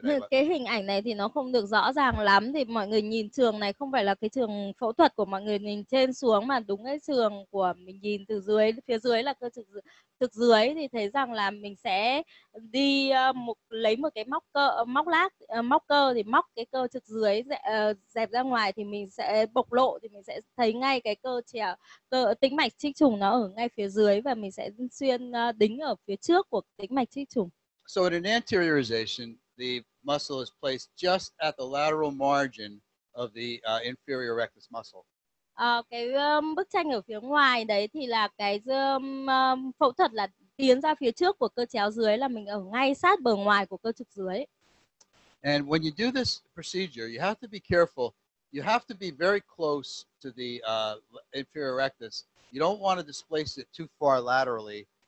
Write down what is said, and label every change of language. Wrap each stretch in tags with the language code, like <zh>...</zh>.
<vi>Cái hình ảnh này thì nó không được rõ ràng lắm, thì mọi người nhìn trường này không phải là cái trường phẫu thuật của mọi người nhìn trên xuống, mà đúng cái trường của mình nhìn từ dưới, phía dưới là cơ trực dưới, thì thấy rằng là mình sẽ đi lấy một cái móc cơ thì móc cái cơ trực dưới dẹp ra ngoài, thì mình sẽ bộc lộ, thì mình sẽ thấy ngay cái cơ tĩnh mạch trích trùng nó ở ngay phía dưới, và mình sẽ xuyên đính ở phía trước của tĩnh mạch trích trùng.</vi> <en>So in an anteriorization, the muscle is placed just at the lateral margin of the inferior rectus muscle.</en> <vi>Cái bức tranh ở phía ngoài đấy thì là cái phẫu thuật là tiến ra phía trước của cơ chéo dưới, là mình ở ngay sát bờ ngoài của cơ trực dưới.</vi> <en>And when you do this procedure, you have to be careful. You have to be very close to the inferior rectus. You don't want to displace it too far laterally,</en>